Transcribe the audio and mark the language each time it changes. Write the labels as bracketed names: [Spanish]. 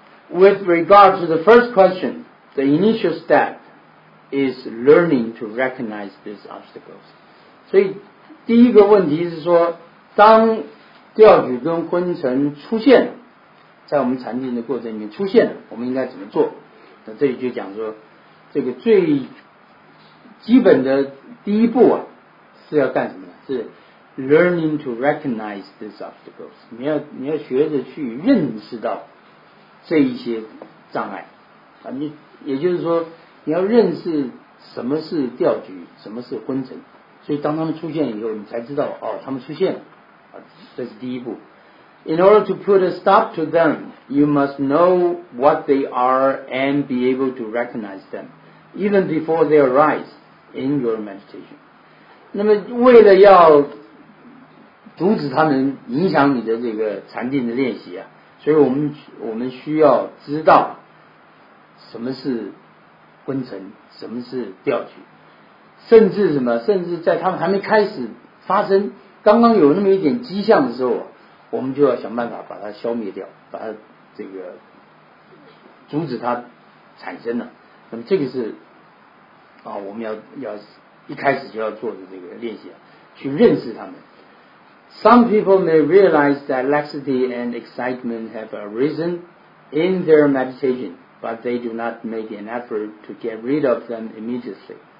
[English] With regard to the first question, the initial step is learning to recognize these obstacles. [Chinese] 所以第一个问题是说，当掉举跟昏沉出现，在我们禅定的过程里面出现了，我们应该怎么做？那这里就讲说，这个最基本的第一步啊，是要干什么呢？是 [English] learning to recognize these obstacles。 [Chinese] 你要学着去认识到这一些障碍啊。你也就是说，你要认识什么是掉举，什么是昏沉。所以当他们出现以后，你才知道哦，他们出现了啊，这是第一步。 [English] In order to put a stop to them, you must know what they are and be able to recognize them, even before they arise in your meditation. [Chinese] 那么为了要阻止他们影响你的这个禅定的练习啊，所以我们需要知道什么是昏沉，什么是掉举，甚至什么，甚至在他们还没开始发生，刚刚有那么一点迹象的时候，我们就要想办法把它消灭掉，把它这个阻止它产生了。那么这个是啊，我们要一开始就要做的这个练习，去认识他们。 [English] Some people may realize that laxity and excitement have arisen in their meditation, but they do not make an effort to get rid of them immediately.